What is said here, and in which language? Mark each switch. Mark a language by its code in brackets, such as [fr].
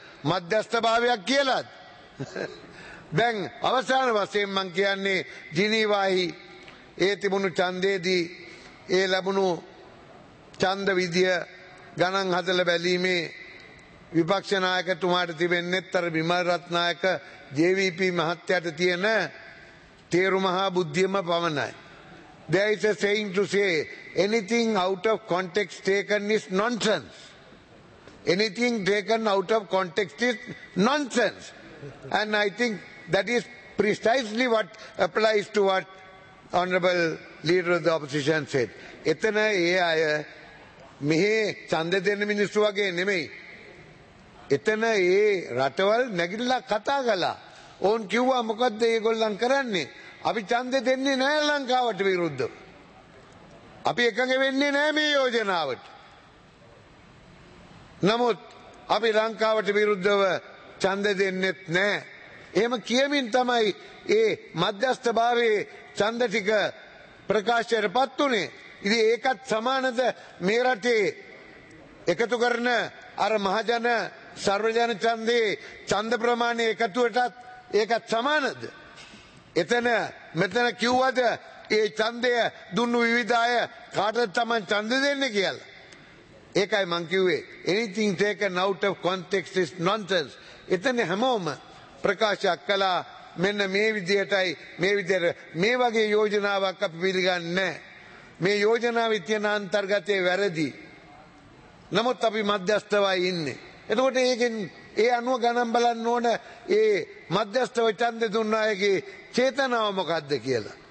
[si] මධ්‍යස්ථභාවයක් කියලාද? දැන් අවසාන වශයෙන් මම කියන්නේ ජිනීවාහි ඒ තිබුණු ඡන්දේදී ඒ ලැබුණු ඡන්ද විදිය ගණන් හදලා බැලීමේ විපක්ෂ නායකතුමාට තිබෙන්නේ අර විමල් රත්නායක ජේවීපී මහත්තයාට තියෙන තේරුමහා බුද්ධියම පමණයි. [en] There is a saying to say anything out of context taken is nonsense. Anything taken out of context is nonsense. And I think that is precisely what applies to what Honorable Leader of the Opposition said. [si] එතන ඒ අය මෙහි ඡන්ද දෙන මිනිස්සු වගේ නෙමෙයි. එතන ඒ රටවල් නැගිටලා කතා කළා. ඕන් කිව්වා මොකද්ද ඒගොල්ලන් කරන්නේ? අපි ඡන්ද දෙන්නේ නැහැ ලංකාවට විරුද්ධ. අපි එකඟ වෙන්නේ නැහැ මේ යෝජනාවට. නමුත් අපි ලංකාවට විරුද්ධව ඡන්ද දෙන්නෙත් නැහැ. එහෙම කියමින් තමයි ඒ මධ්‍යස්ථභාවයේ ඡන්ද ටික ප්‍රකාශයට පත් උනේ. ඉතින් ඒකත් සමානද මේ රටේ එකතු කරන අර මහජන සර්වජන ඡන්දේ ඡන්ද ප්‍රමාණය එකතුවටත් ඒකත් සමානද? එතන මෙතන කිව්වද ඒ ඡන්දය දුන්නු විවිධ අය කාටද තමන් ඡන්ද දෙන්නේ කියලා? ඒකයි මං කිව්වේ [en] anything taken out of context is nonsense. [si] එතන හැමෝම ප්‍රකාශයක් කළා මෙන්න මේ විදියටයි, මේ විදියට මේ වගේ යෝජනාවක් අපි පිළිගන්නේ. මේ යෝජනාව තියෙන අන්තර්ගතයේ වැරදි. නමුත් අපි මධ්‍යස්ථවයි ඉන්නේ. එතකොට ඒකෙන් ඒ අනුව ගණන් බලන්න ඕන ඒ මධ්‍යස්ථව ඡන්ද දුන්න අයගේ චේතනාව මොකද්ද කියලා.